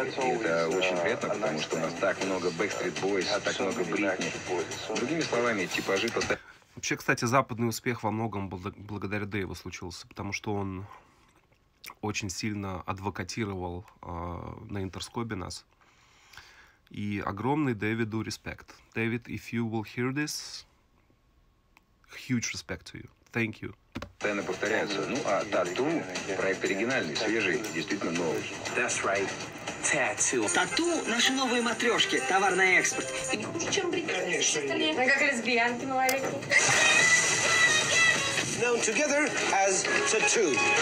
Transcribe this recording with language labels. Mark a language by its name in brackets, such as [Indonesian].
[Russian] И это очень приятно, потому что у нас так много «Бэкстрит Бойс», так много «Бритни». Другими словами, типажи постоянно... Вообще, кстати, западный успех во многом благодаря Дэйву случился, потому что он очень сильно адвокатировал на Интерскопе нас. И огромный Дэвиду респект. [English] Дэвид, if you will hear this, huge respect to you. Thank you. [Russian] Постоянно повторяются. Ну, а «Тату» — проект оригинальный, свежий, действительно новый. [English] That's right. Tattoo. [Russian] «Тату» — наши новые матрешки, товар на экспорт. И в чем британцы? Мы как лесбиянки малолетние. [English] Known together as «Тату».